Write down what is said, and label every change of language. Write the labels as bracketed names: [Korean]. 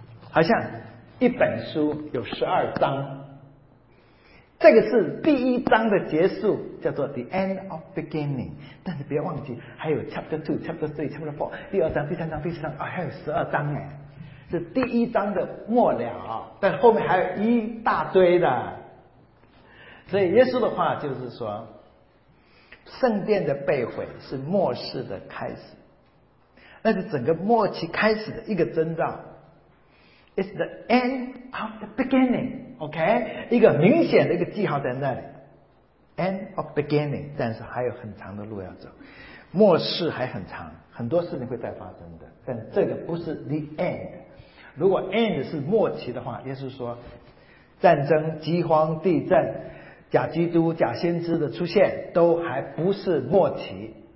[Chinese] 好像一本书有12章，这个是第一章的结束，叫做 [English] the end of beginning， [Chinese] 但是不要忘记还有 [English] chapter 2 chapter 3 chapter 4， [Chinese] 第二章、第三章、第四章、哦、还有12章，是第一章的末了，但后面还有一大堆的。所以耶稣的话就是说，圣殿的被毁是末世的开始，那是整个末期开始的一个征兆。 [English] It's the end of the beginning, OK? [Chinese] 一个明显的一个记号在那里。 [English] End of beginning, [Chinese] 但是还有很长的路要走。末世还很长，很多事情会再发生的。但这个不是 [English] the end。 [Chinese] 如果 end 是末期的话，耶稣说，战争、饥荒、地震、假基督、假先知的出现，都还不是末期。